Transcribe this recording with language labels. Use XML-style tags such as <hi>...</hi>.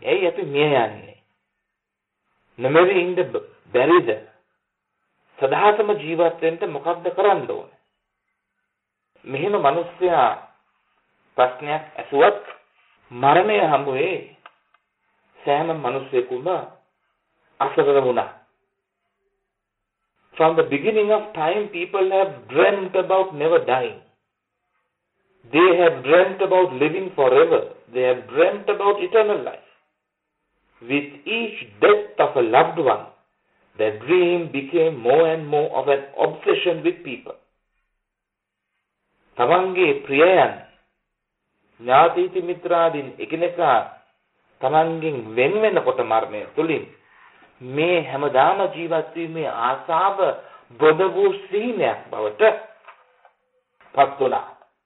<si>ඇයි අපි මිය යන්නේ? නොමැරි ඉඳ බැරිද? සදාතම ජීවත් වෙන්න මොකක්ද කරන්න ඕනේ? මෙහෙම මනුස්සයා ප්‍රශ්නයක් ඇසුවත් මරණය හමුවේ සෑම මනුස්සයෙකුම අසරණ වුණා.</si> <en>From the beginning of time, people have dreamt about never dying. They have dreamt about living forever. They have dreamt about eternal life. With each death of a loved one, their dream became more and more of an obsession with people.</en> <si>තමන්ගේ ප්‍රියයන් ඥාතීති මිත්‍රාදීන් එකිනෙකා තමන්ගෙන් වෙන් වෙනකොට මරණය තුලින් මේ හැමදාම ජීවත් වීමේ ආසාව බොඳ වූ සීනයක් බවට පත් වුණා.</si>